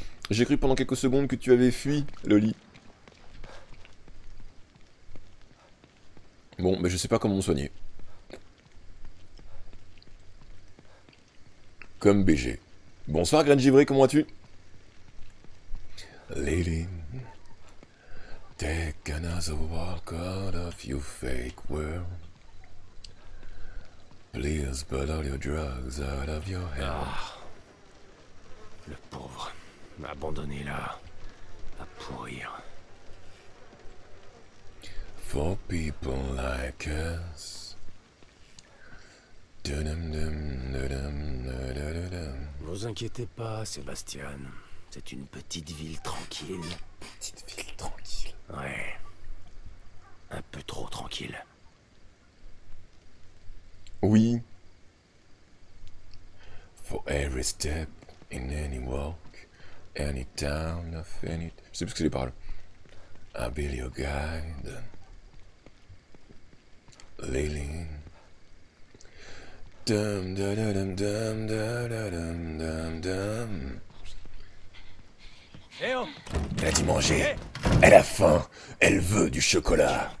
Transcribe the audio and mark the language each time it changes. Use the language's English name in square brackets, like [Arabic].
[French] J'ai cru pendant quelques secondes que tu avais fui, Loli. Bon, mais je sais pas comment me soigner. Comme BG. Bonsoir, Graine Givrée, comment vas-tu? Lily. [English] Take another walk out of your fake world. Please put all your drugs out of your head. [French] Ah, le pauvre, abandonné là, à pourrir. [English] For people like us. [French] Ne vous inquiétez pas, Sébastien. C'est une petite ville tranquille. Petite ville tranquille. Ouais. Un peu trop tranquille. Oui. [English] For every step in any walk, any town of any... [French] Je sais plus ce que les paroles. [English] I'll be your guide. Lily. Dum dum dum dum dum dum dum dum. Eh oh! [French] Elle a dit manger. Hey. Elle a faim. Elle veut du chocolat.